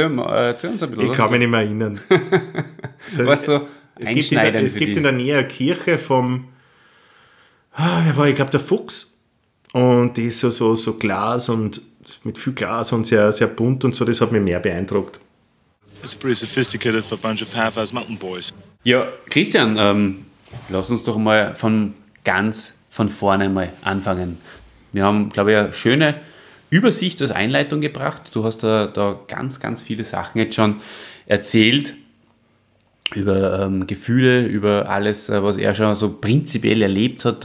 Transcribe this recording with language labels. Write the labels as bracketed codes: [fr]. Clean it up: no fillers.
[de] Erzähl uns ein bisschen. Ich kann mich nicht mehr erinnern. Weißt du, es gibt in der Nähe eine Kirche vom, der Fuchs. Und die ist so Glas und mit viel Glas und sehr, sehr bunt und so, das hat mich mehr beeindruckt. [en] It's pretty sophisticated for a bunch of half-ass mountain boys. [de] Ja, Christian, lass uns doch mal von ganz von vorne mal anfangen. Wir haben, glaube ich, eine schöne Übersicht als Einleitung gebracht. Du hast da ganz, ganz viele Sachen jetzt schon erzählt über Gefühle, über alles, was er schon so prinzipiell erlebt hat.